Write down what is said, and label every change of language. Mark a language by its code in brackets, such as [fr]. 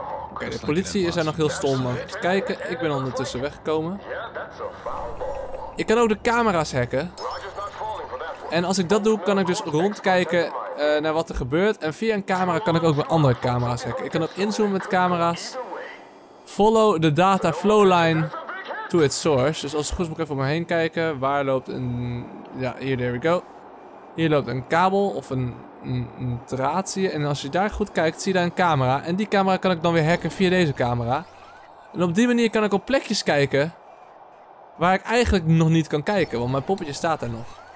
[nl] Oké, de politie is daar nog heel stom aan het kijken. Ik ben ondertussen weggekomen. Ik kan ook de camera's hacken. En als ik dat doe, kan ik dus rondkijken naar wat er gebeurt. En via een camera kan ik ook weer andere camera's hacken. Ik kan ook inzoomen met camera's. [en] Follow the data flow line to its source. [nl] Dus als het goed is, moet ik even om me heen kijken. Waar loopt een... Ja, hier, [en] there we go. [nl] Hier loopt een kabel of een draad, zie je. En als je daar goed kijkt, zie je daar een camera. En die camera kan ik dan weer hacken via deze camera. En op die manier kan ik op plekjes kijken waar ik eigenlijk nog niet kan kijken, want mijn poppetje staat daar nog.